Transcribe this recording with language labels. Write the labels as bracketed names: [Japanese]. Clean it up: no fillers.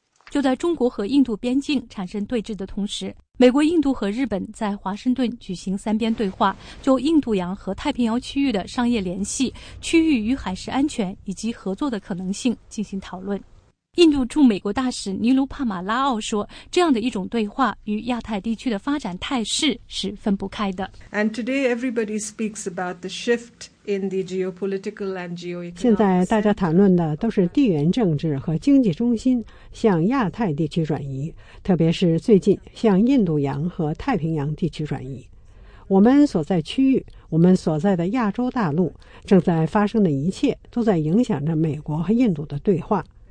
[Chinese] 就在中国和印度边境产生对峙的同时，美国、印度和日本在华盛顿举行三边对话，就印度洋和太平洋区域的商业联系、区域与海事安全以及合作的可能性进行讨论。印度驻美国大使尼卢帕马拉奥说，这样的一种对话与亚太地区的发展态势是分不开的。 [English] And today everybody speaks about the shift in the geopolitical and geoeconomic. [Chinese] 现在大家谈论的都是地缘政治和经济中心向亚太地区转移，特别是最近向印度洋和太平洋地区转移。我们所在区域，我们所在的亚洲大陆，正在发生的一切都在影响着美国和印度的对话。